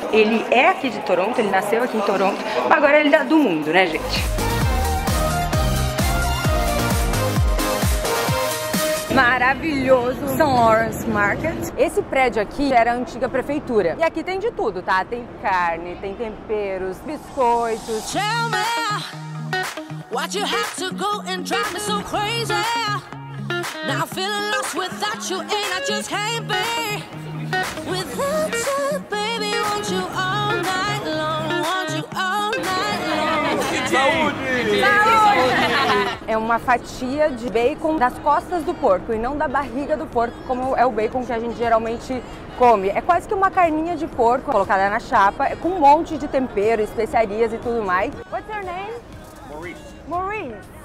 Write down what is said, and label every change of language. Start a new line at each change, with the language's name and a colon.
Portuguese: Ele é aqui de Toronto, ele nasceu aqui em Toronto, mas agora ele é do mundo, né, gente? Maravilhoso St. Lawrence Market. Esse prédio aqui era a antiga prefeitura. E aqui tem de tudo, tá? Tem carne, tem temperos, biscoitos.
English: Tell me what you have to go and drive me so crazy. Now feeling lost without you, and I just can't be without you, baby. Want you all night long, want you all night long.
Portuguese: Saúde! É uma fatia de bacon das costas do porco e não da barriga do porco, como é o bacon que a gente geralmente come. É quase que uma carninha de porco colocada na chapa, com um monte de tempero, especiarias e tudo mais.
English: What's your name? Maurice.